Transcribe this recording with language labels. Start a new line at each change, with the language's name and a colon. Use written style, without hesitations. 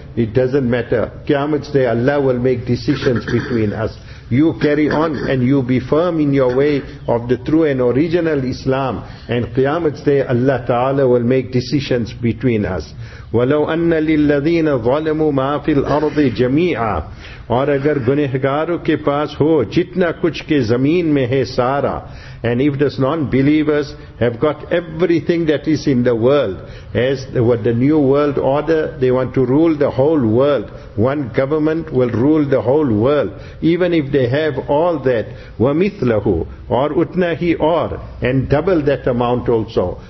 English: It doesn't matter. Qiyamah's day, Allah will make decisions between us. You carry on and you be firm in your way of the true and original Islam, and Qiyamah's day Allah Ta'ala will make decisions between us.
Arabic: وَلَوْ أَنَّ لِلَّذِينَ ظَلَمُوا مَا فِي الْأَرْضِ جَمِيعًا.
Urdu: اور اگر گنہگاروں کے پاس ہو جتنا کچھ کے زمین میں ہے سارا.
English: And if those non-believers have got everything that is in the world, as with the new world order, they want to rule the whole world. One government will rule the whole world. Even if they have all that, وَمِثْلَهُ or
Urdu: utna hi
English: or, and double that amount also.